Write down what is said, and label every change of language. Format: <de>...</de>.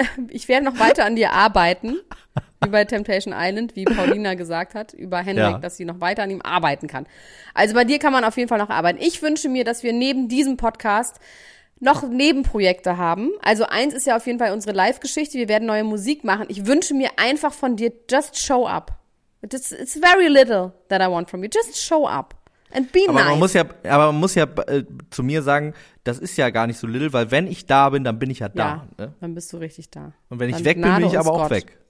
<de>Ich werde noch weiter an dir arbeiten. Wie bei Temptation Island, wie Paulina gesagt hat, über Henrik, dass sie noch weiter an ihm arbeiten kann. Also bei dir kann man auf jeden Fall noch arbeiten. Ich wünsche mir, dass wir neben diesem Podcast noch Nebenprojekte haben. Also eins ist ja auf jeden Fall unsere Live-Geschichte. Wir werden neue Musik machen. Ich wünsche mir einfach von dir,</de> <en>just show up. It's very little that I want from you. Just show up and be nice.</en> <de>Aber man muss ja zu mir sagen, das ist ja gar nicht so little, weil wenn ich da bin, dann bin ich ja da. Ja, ne? Dann bist du richtig da. Und wenn ich weg bin, bin ich aber auch weg.</de>